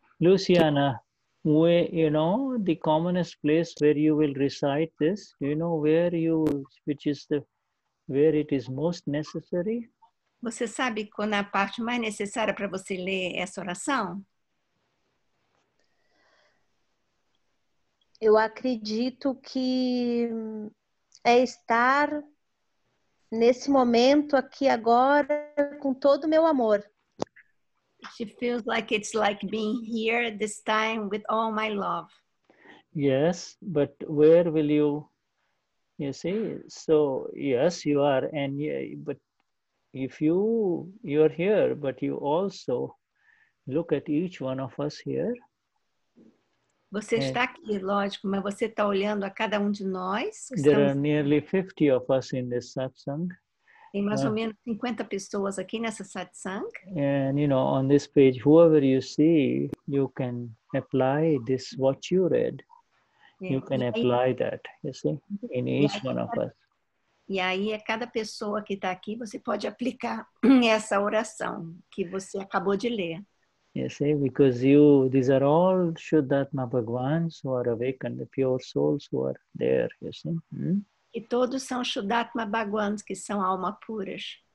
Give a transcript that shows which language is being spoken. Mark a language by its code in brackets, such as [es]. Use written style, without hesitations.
[en] Luciana, where, you know, the commonest place where you will recite this, you know, where you, which is the, where it is most necessary? [pt] Você sabe quando a parte mais necessária para você ler essa oração? Eu acredito que é estar nesse momento aqui agora com todo o meu amor. [en] She feels like it's like being here this time with all my love. Yes, but where will you, you see? So, yes, you are, and yeah, but if you're here, but you also look at each one of us here. [pt] Você está aqui, lógico, mas você está olhando a cada um de nós. [en] There are nearly 50 of us in this satsang. [pt] Tem mais ou menos 50 pessoas aqui nessa satsang. [en] And you know, on this page, whoever you see, you can apply this what you read. You can apply that, you see, in each one of us. [pt] E aí, a cada pessoa que está aqui, você pode aplicar essa oração que você acabou de ler. [en] You see, because you, these are all Shuddhatma Bhagwans who are awakened, the pure souls who are there, you see. [pt] E todos são Shuddhatma Bhagwans, que são almas puras.